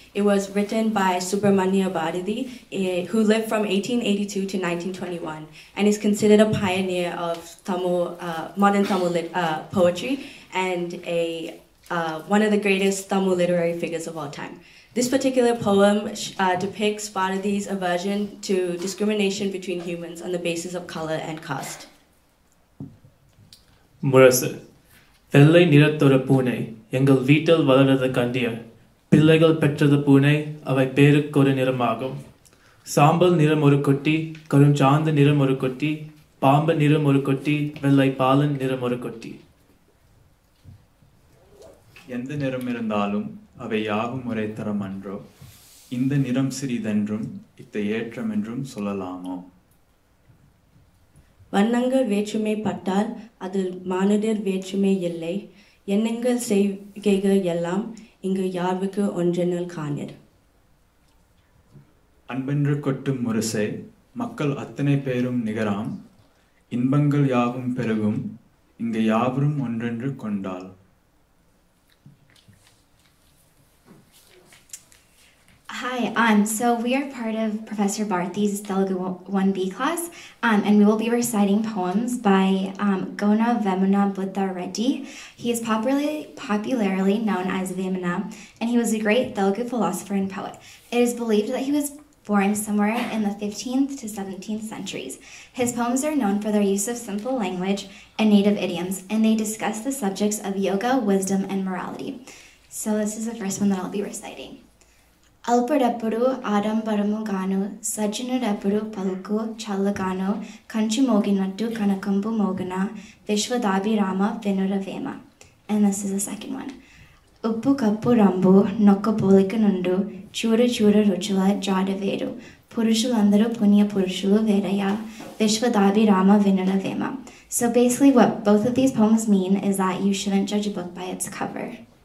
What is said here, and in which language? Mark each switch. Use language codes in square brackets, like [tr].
[en] It was written by Subramanya Bharati, who lived from 1882 to 1921, and is considered a pioneer of Tamil, modern Tamil poetry, and one of the greatest Tamil literary figures of all time. This particular poem depicts Bharati's aversion to discrimination between humans on the basis of color and caste. [ta] Murasu. வெள்ளை நிறத்தொரு பூனை எங்கள் வீட்டில் வளர்றது கண்டியர் பிள்ளைகள் பெற்றது பூனை அவை பேருக்கு ஒரு நிறமாகும் சாம்பல் நிறம் ஒரு கொட்டி கரும் சாந்து நிறம் ஒரு கொட்டி பாம்பு நிறம் ஒரு கொட்டி வெள்ளை பாலன் நிறம் ஒரு கொட்டி எந்த நிறம் இருந்தாலும் அவை யாவும் முறை தரம் அன்றோ இந்த நிறம் சிறிதென்றும் இத்த ஏற்றம் என்றும் சொல்லலாமோ வண்ணங்கள் வேற்றுமை பட்டால் அது மானுடர் வேற்றுமை இல்லை எண்ணங்கள் செய்கைகள் எல்லாம் இங்கு யாருக்கு ஒன்றெனல் காணிர் அன்பென்று கொட்டும் முரசை மக்கள் அத்தனை பேரும் நிகராம் இன்பங்கள் யாவும் பெருகும் இங்கு யாவரும் ஒன்றென்று கொண்டாள் [en] Hi, so we are part of Professor Bharati's Telugu 1B class, and we will be reciting poems by Gona Vemana Buddha Reddy. He is popularly known as Vemana, and he was a great Telugu philosopher and poet. It is believed that he was born somewhere in the 15th to 17th centuries. His poems are known for their use of simple language and native idioms, and they discuss the subjects of yoga, wisdom, and morality. So this is the first one that I'll be reciting. [te] అల్పడప్పుడు ఆడంబరము గాను సజ్జనుడప్పుడు పలుకు చల్లగాను కంచు మోగినట్టు కనకంపు మోగన విశ్వదాభిరామ వెనుర Vema [en] and this is the second one [te] ఉప్పు cup రంబు నొక్క పోలిక నుండు చూడు చూడు రుచుల జాడవేరు పురుషులందరూ పుణ్య పురుషులు వేరయ విశ్వదాభిరామ వెనుర Vema [en] so basically what both of these poems mean is that you shouldn't judge book by its cover